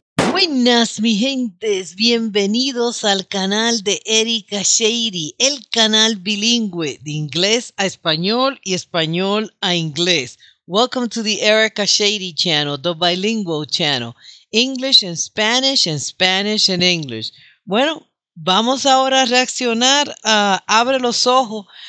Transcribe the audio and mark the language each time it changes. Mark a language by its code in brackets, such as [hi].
[es] Buenas, mi gentes, bienvenidos al canal de Erika Shady, el canal bilingüe de inglés a español y español a inglés. [en] Welcome to the Erika Shady channel, the bilingual channel, English and Spanish and English. [es] Bueno, vamos ahora a reaccionar a Abre los Ojos.